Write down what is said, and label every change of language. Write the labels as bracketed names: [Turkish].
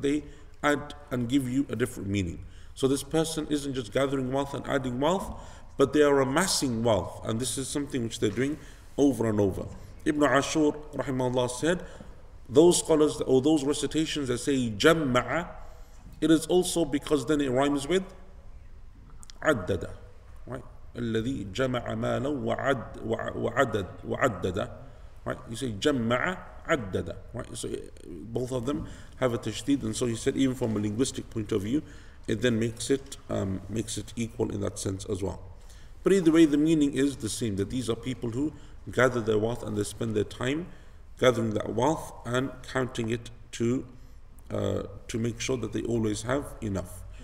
[English] They add and give you a different meaning. So this person isn't just gathering wealth and adding wealth, but they are amassing wealth. And this is something which they're doing over and over. Ibn Ashur, rahimahullah, said, those scholars or those recitations that say jamma'a, it is also because then it rhymes with addada, right? [Arabic] الذي جمع مالا وعدد right? [English] You say [Arabic] جمع عدد, [English] right? So both of them have a تشديد, and so he said even from a linguistic point of view, it then makes it equal in that sense as well. But either way, the meaning is the same, that these are people who gather their wealth and they spend their time gathering that wealth and counting it to make sure that they always have enough.